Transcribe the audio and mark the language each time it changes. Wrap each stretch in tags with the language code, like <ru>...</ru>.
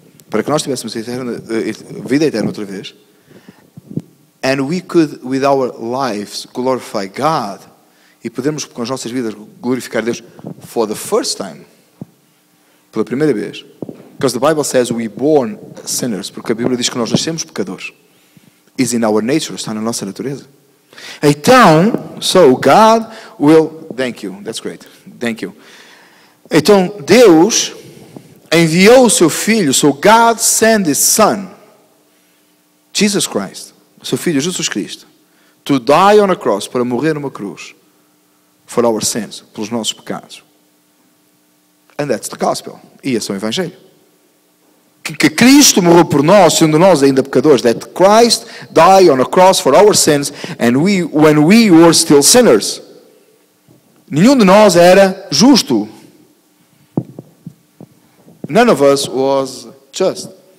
<pt>Para que nós tivéssemos vida eterna outra vez.</pt> <en>And we could, with our lives, glorify God.</en> <pt>E podemos, com as nossas vidas, glorificar Deus</pt> <en>for the first time.</en> <pt>Pela primeira vez.</pt> <en>Because the Bible says we born sinners.</en> <pt>Porque a Bíblia diz que nós nascemos pecadores.</pt> <en>Is in our nature.</en> <pt>Está na nossa natureza. Então,</pt> <en>so God will... Thank you. That's great. Thank you.</en> <pt>Então, Deus enviou o seu filho.</pt> <en>So God sent his son, Jesus Christ.</en> <pt>Seu filho, Jesus Cristo.</pt> <en>To die on a cross.</en> <pt>Para morrer numa cruz.</pt> <en>For our sins,</en> <pt>pelos nossos pecados.</pt> <en>And that's the gospel.</en> <pt>E esse é o Evangelho. Que Cristo morreu por nós, sendo nós ainda pecadores.</pt> <en>That Christ died on a cross for our sins, and we, when we were still sinners.</en> <pt>Nenhum de nós era justo.</pt> <en>None of us was just.</en>